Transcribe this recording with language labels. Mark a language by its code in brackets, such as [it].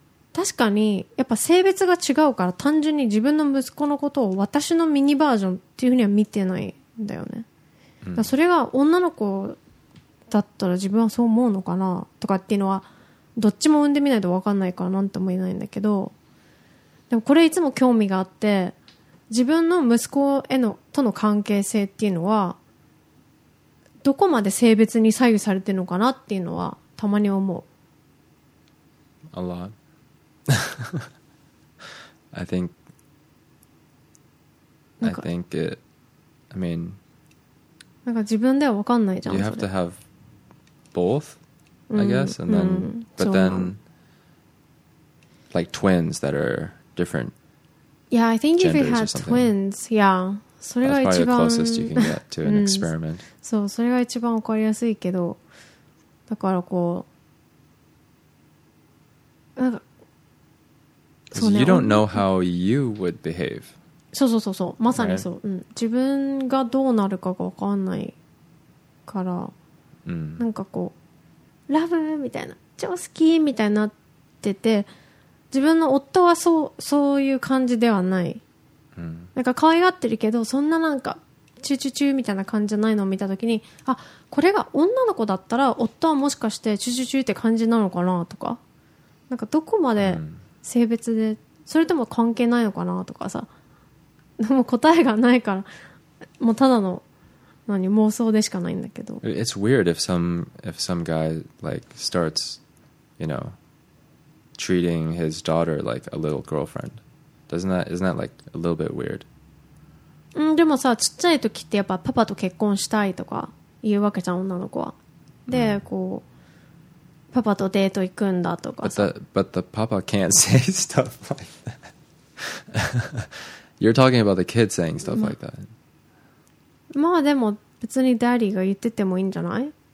[ja] 確かにやっぱ性別が違うから単純に自分の息子のことを私のミニバージョンっていうふうには見てないんだよね、うん、だそれが女の子だったら自分はそう思うのかなとかっていうのはどっちも産んでみないと分かんないからなんとも言えないんだけどでもこれいつも興味があって自分の息子へのとの関係性っていうのはどこまで性別に左右されてるのかなっていうのはたまに思う [en] A lotI think it. I mean, [ja] なんか自分では分かんないじゃん。 [en] You have to have both, I guess, and then, but then, like twins that are different. Yeah, I think if you had twins, yeah, [ja] それが一番 [en] that's probably the closest you can get to an experiment. [ja] そう、それが一番わかりやすいけど、だからこう、なんか。 [en] You don't know how you would behave. [ja] そうそうそうそう、まさにそう。うん、自分がどうなるかが分かんないから、うん、なんかこうラブみたいな、超好きみたいになってて、自分の夫はそういう感じではない、うん。なんか可愛がってるけど、そんななんかチューチューチューみたいな感じじゃないのを見たときに、あ、これが女の子だったら夫はもしかしてチューチューチューって感じなのかなとか、なんかどこまで、うん。性別でそれとも関係ないのかなとかさでも答えがないからもうただの何妄想でしかないんだけど [en] It's weird if some guy like starts you know treating his daughter like a little girlfriend isn't that like a little bit weird [ja] んでもさちっちゃい時ってやっぱパパと結婚したいとか言うわけじゃん女の子はで、mm. こうパパとデート行くんだとかさ。 [en] But the papa can't say stuff like that. You're talking about the kid saying stuff like that. [ja] まあでも別にダディが言っててもいいんじゃない